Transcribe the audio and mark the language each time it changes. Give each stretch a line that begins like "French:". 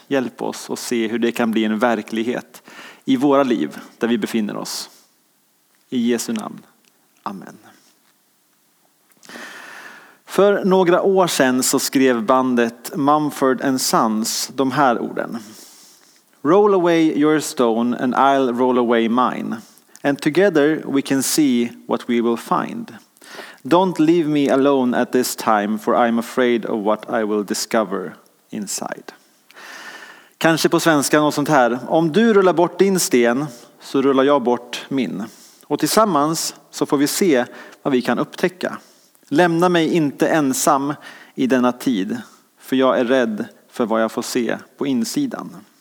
Swedish: Hjälp oss att se hur det kan bli en verklighet i våra liv där vi befinner oss. I Jesu namn. Amen. För några år sedan så skrev bandet Mumford & Sons de här orden.
English: Roll away your stone and I'll roll away mine. And together we can see what we will find. Don't leave me alone at this time for I'm afraid of what I will discover inside.
Swedish: Kanske på svenska något sånt här. Om du rullar bort din sten så rullar jag bort min. Och tillsammans så får vi se vad vi kan upptäcka. Lämna mig inte ensam i denna tid för jag är rädd för vad jag får se på insidan.